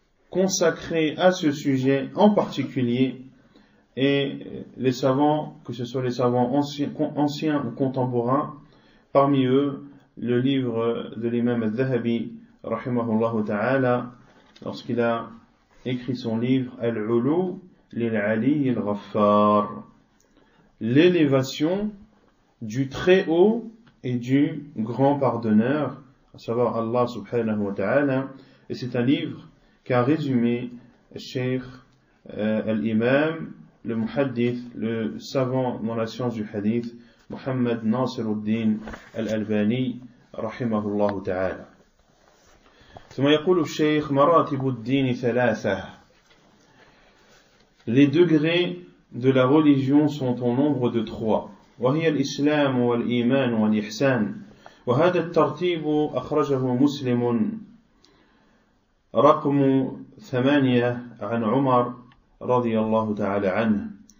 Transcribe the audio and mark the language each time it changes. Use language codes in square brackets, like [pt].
[fr] consacrés à ce sujet en particulier, et les savants, que ce soit les savants anciens ou contemporains, parmi eux, le livre de l'imam al-Dhahabi, rahimahullah ta'ala, lorsqu'il a écrit son livre Al-Ulu lil-Ali al-Ghaffar, l'élévation du très haut et du grand pardonneur, à savoir Allah subhanahu wa ta'ala. Et c'est un livre qu'a résumé Cheikh al-Imam, le muhaddith, le savant dans la science du hadith, Muhammad Nasiruddin al-Albani, rahimahullah ta'ala. [ar] ثم يقول الشيخ مراتب الدين ثلاثة. [fr] Les degrés de la religion sont au nombre de trois. [ar] وهي الإسلام والإيمان والإحسان. وهذا الترتيب أخرجه مسلم رقم ثمانية عن عمر رضي الله تعالى عنه.